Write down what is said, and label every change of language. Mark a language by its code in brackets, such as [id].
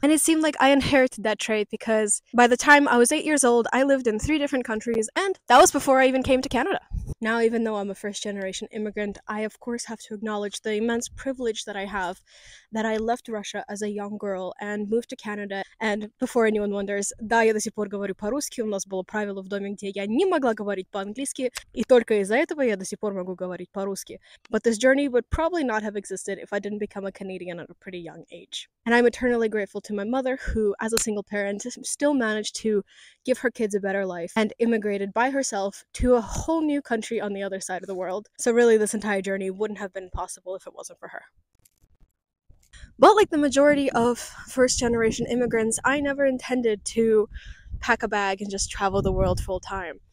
[en] And it seemed like I inherited that trait because by the time I was 8 years old, I lived in 3 different countries, and that was before I even came to Canada. Now, even though I'm a first generation immigrant, I of course have to acknowledge the immense privilege that I have that I left Russia as a young girl and moved to Canada. And before anyone wonders, [ru] да, я до сих пор говорю по-русски, у нас было правило в доме, где я не могла говорить по-английски, и только из-за этого я до сих пор могу говорить по-русски. [en] But this journey would probably not have existed if I didn't become a Canadian at a pretty young age. And I'm eternally grateful to my mother, who, as a single parent, still managed to give her kids a better life and immigrated by herself to a whole new country on the other side of the world. So really, this entire journey wouldn't have been possible if it wasn't for her. But like the majority of first-generation immigrants, I never intended to pack a bag and just travel the world full-time.